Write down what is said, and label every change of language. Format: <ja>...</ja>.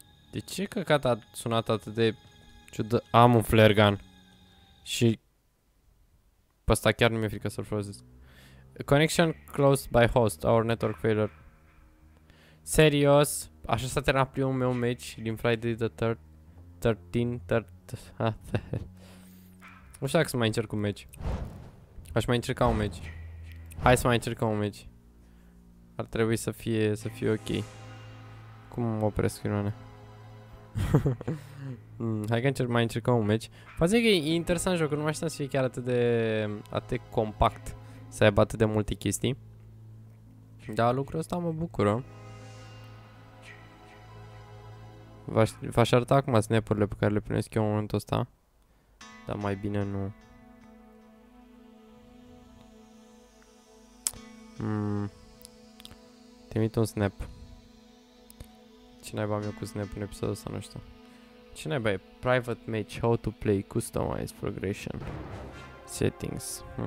<ro>De ce căcat a sunat atât de ciudă? Am un flare gun. Și... pe ăsta chiar nu mi-e frică să-l folosesc.</ro> <en>Connection closed by host, our network failure.</en> <ro>Serios? Așa s-a terminat primul meu match din Friday the 13th. Nu știu dacă să mai încerc un match. Aș mai încerca un match. Hai să mai încercăm un match. Ar trebui să fie, să fie ok. Cum mă opresc, Ioane? Hai că încerc, mai încercăm un match. Poate că e interesant jocul, nu mai știam să fie chiar atât de compact. Să aibă atât de multe chestii. Dar lucrul ăsta mă bucură. V-aș arăta acum snap-urile pe care le primesc eu în momentul ăsta. Dar mai bine nu. Trimit un snap. Ce naiba am eu cu snap în episodul ăsta, nu știu. Ce naiba e?</ro> <en>Private match, how to play, customize, progression, settings.</en>